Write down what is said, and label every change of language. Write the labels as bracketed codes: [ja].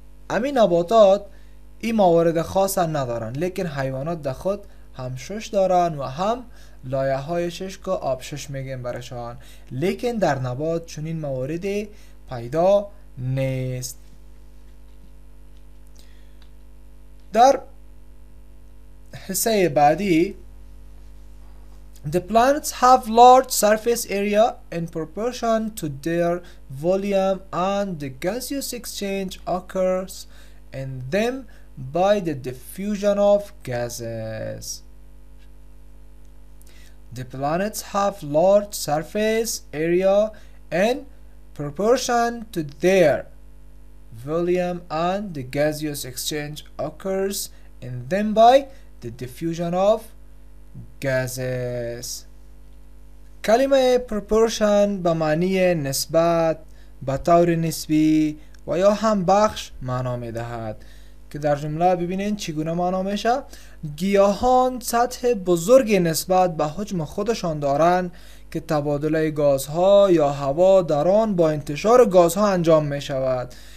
[fa] همین نباتات این موارد خاص ندارن، لیکن حیوانات در خود هم شش دارن و هم لایه های شش که آب شش میگن برشان، لیکن در نبات چنین موارد پیدا نیست. در حصه بعدی [en] The plants have large surface area in proportion to their volume and the gaseous exchange occurs in them by the diffusion of gases. The planets have large surface area in proportion to their volume and the gaseous exchange occurs in them by the diffusion of gases. [fa] کلمه proportion به معنی نسبت، به طور نسبی و یا هم بخش معنا می دهد. که در جمله ببینین چگونه معنا میشه؟ گیاهان سطح بزرگی نسبت به حجم خودشان دارند که تبادله گازها یا هوا در آن با انتشار گازها انجام میشود.